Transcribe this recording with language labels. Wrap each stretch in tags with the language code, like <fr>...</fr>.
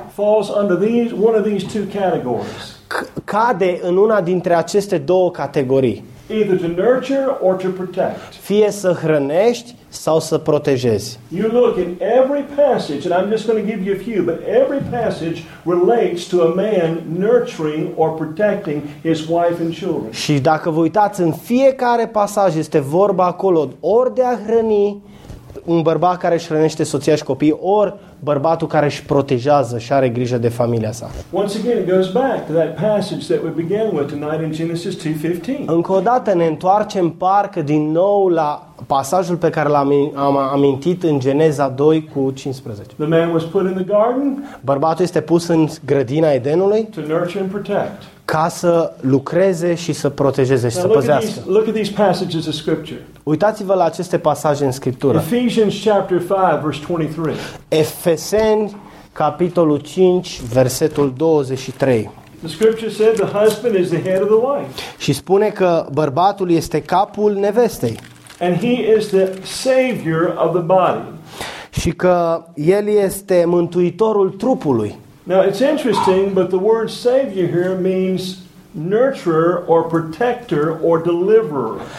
<en>falls under these, one of these two categories.</en> <ro>Cade în una dintre aceste două categorii.</ro> <en>Either to nurture or to protect.</en> <ro>Fie să hrănești sau să protejezi.</ro> <en>You look in every passage, and I'm just going to give you a few, but every passage relates to a man nurturing or protecting his wife and children.</en> <ro>Și dacă vă uitați în fiecare pasaj, este vorba acolo ori de a hrăni un bărbat care își hrănește soția și copiii, ori bărbatul care își protejează și are grijă de familia sa.</ro> <en>Once again, it goes back to that passage that we began with tonight in Genesis 2:15.</en> <ro>Încă o dată ne întoarcem parcă din nou la pasajul pe care l-am amintit în Geneza 2:15.</ro> <en>The man was put in the garden.</en> <ro>Bărbatul este pus în grădina Edenului.</ro> <en>To nurture and protect.</en> <ro>Ca să lucreze și să protejeze și</ro> <en>now</en> <ro>să păzească.</ro> <en>Look at these passages of scripture.</en> <ro>Uitați-vă la aceste pasaje în Scriptură.</ro> <en>Ephesians chapter 5 verse 23.</en> <ro>Efeseni capitolul 5 versetul 23.</ro> <en>The scripture said the husband is the head of the wife.</en> <ro>Și spune că bărbatul este capul nevestei.</ro> <en>And he is the savior of the body.</en> <ro>Și că el este mântuitorul trupului.</ro> <en>Now it's interesting, but the word savior here means nurturer or protector or deliverer.</en>